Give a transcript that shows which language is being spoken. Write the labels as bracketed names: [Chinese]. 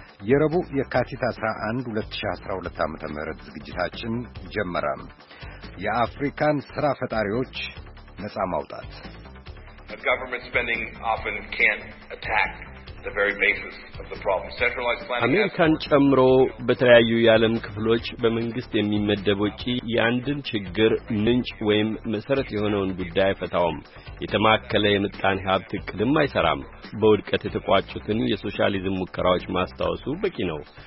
[Amharic] የረቡዕ የካቲት 11 2012 ዓመተ ምህረት ዝግጅታችን ጀመረ። የአፍሪካን ሥራ ፈጣሪዎች ነጻ ማውጣት። [English] government spending often can't attack the very basis of the problem. Centralized planning. [Amharic] አሜሪካን ጨምሮ በተለያዩ የዓለም ክፍሎች በመንግስት የሚመደብ ወጪ ያንድን ችግር ምንጭ ወይም መሰረት የሆነውን ጉዳይ ፈታውም የተማከለ የምጣኔ ሀብት ቅድም አይሰራም። በውድቀት የተቋጩትን የሶሻሊዝም ሙከራዎች ማስተዋወሱ በቂ ነው።